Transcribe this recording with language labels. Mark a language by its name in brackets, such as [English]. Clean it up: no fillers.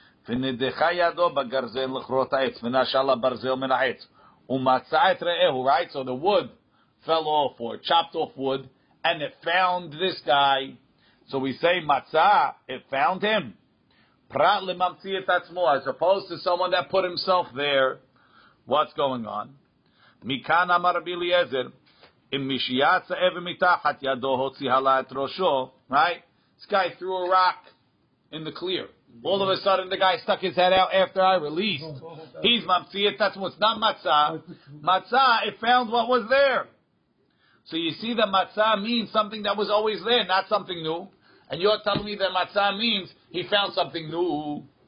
[Hebrew] ונדחה ידו בגרזן לכרות העץ, ונשאל הברזל מן העץ, ומצא את רעהו, right? [English] So the wood fell off, or chopped off wood, and it found this guy. So we say, מצא, it found him. [Hebrew] פרט לממציא את עצמו, [English] as opposed to someone that put himself there. What's going on? [Hebrew] מכאן אמר רבי אליעזר, אם משיעץ האבן מתחת ידו הוציא הלא את ראשו, right? [English] This guy threw a rock in the clear. All of a sudden, the guy stuck his head out after I released. He's [Hebrew] mamtzia tatzmo. [English] It's not matzah. Matzah, it found what was there. So you see that matzah means something that was always there, not something new. And you're telling me that matzah means he found something new.